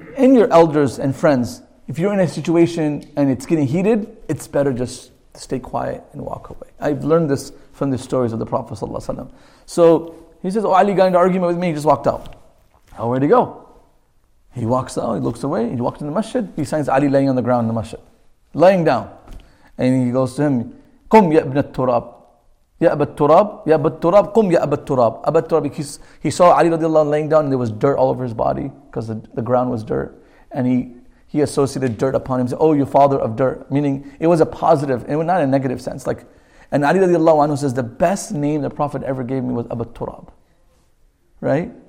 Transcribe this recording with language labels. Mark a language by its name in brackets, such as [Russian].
[English] In your elders and friends, if you're in a situation and it's getting heated, it's better just to stay quiet and walk away. I've learned this from the stories of the Prophet ﷺ. So he says, oh, Ali got into an argument with me, he just walked out. Oh, where'd he go? He walks out, he looks away, he walks in the masjid, he finds Ali laying on the ground in the masjid, laying down. And he goes to him, [Arabic] قُمْ يَا ابْنَ التُّرَابِ يَا أَبَ التُّرَابِ يَا أَبَ التُّرَابِ قُمْ يَا أَبَ التُّرَابِ أَبَ التُّرَابِ. [English] He saw Ali radiallahu anhu laying down and there was dirt all over his body because the ground was dirt. And he associated dirt upon him. He said, oh, you father of dirt. Meaning, it was a positive, and not a negative sense. Like, and Ali radiallahu anhu says, the best name the Prophet ever gave me was Abu Turab. Right?